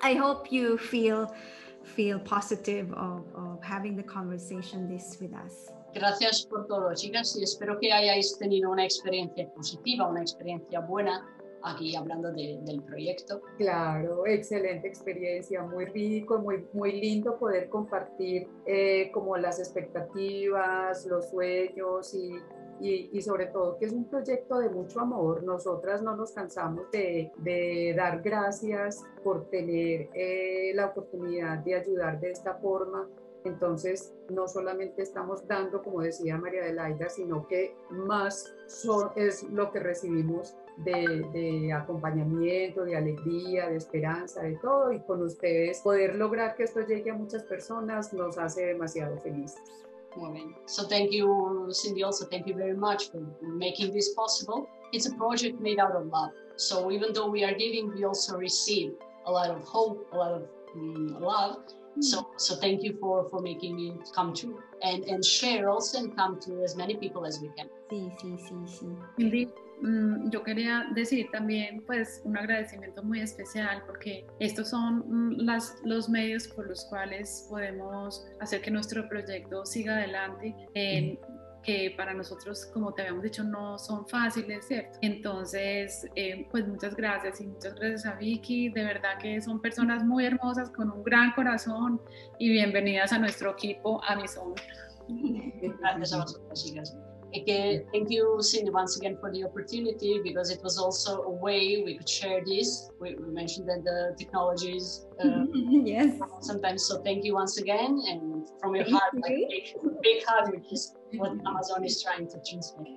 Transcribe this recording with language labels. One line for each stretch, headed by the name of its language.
English: I hope you feel positive of having the conversation this with us.
Spanish: Gracias por todo, chicas, y espero que hayáis tenido una experiencia positiva, una experiencia buena aquí hablando del proyecto. Claro, excelente experiencia, muy rico, muy, muy lindo poder compartir como las expectativas, los sueños y sobre todo que es un proyecto de mucho amor. Nosotras no nos cansamos de dar gracias por tener la oportunidad de ayudar de esta forma. Entonces, no solamente estamos dando, como decía María Adelaida, sino que más es lo que recibimos de acompañamiento, de alegría, de esperanza, de todo. Y con ustedes, poder lograr que esto llegue a muchas personas nos hace demasiado felices. Muy bien.
English: So thank you, Cindy, also thank you very much for making this possible. It's a project made out of love. So even though we are giving, we also receive a lot of hope, a lot of love. So thank you for making it come true and share also and come to as many people as we can.
Spanish: Sí. Cindy, yo quería decir también pues un agradecimiento muy especial porque estos son los medios por los cuales podemos hacer que nuestro proyecto siga adelante en que para nosotros, como te habíamos dicho, no son fáciles, ¿cierto? Entonces, pues muchas gracias y muchas gracias a Vicky. De verdad que son personas muy hermosas, con un gran corazón y bienvenidas a nuestro equipo, a Amisón. Gracias a vosotros, chicas.
English: Thank you, Cindy, once again for the opportunity because it was also a way we could share this. We mentioned that the technologies yes. Sometimes, so thank you once again and from your heart, big hug, which is what Amazon is trying to transmit.